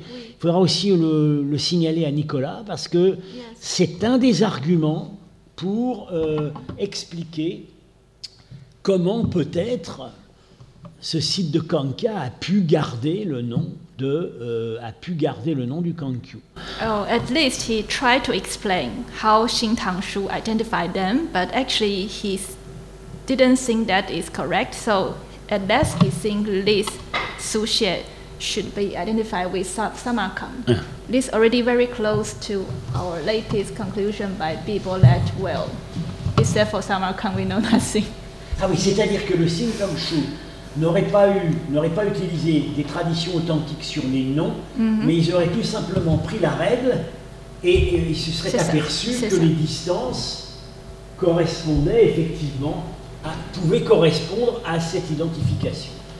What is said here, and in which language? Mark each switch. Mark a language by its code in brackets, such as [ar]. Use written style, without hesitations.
[fr] Il faudra aussi le signaler à Nicolas, parce que c'est un des arguments pour expliquer comment peut-être ce site de Kangka a pu garder le nom. Kangkyu. [en] Oh, at least he tried to explain how Xin Tang Shu identified them, but actually he didn't think that is correct. So at best he think this Su Xie should be identified with Samarkand. This is already very close to our latest conclusion by Bibo that, well, except for Samarkand, we know nothing. [fr] Ah oui, c'est-à-dire que le Xin Tang Shu n'auraient pas utilisé des traditions authentiques sur les noms, mais ils auraient tout simplement pris la règle et ils se seraient aperçus que les distances correspondaient effectivement, pouvaient correspondre à cette identification.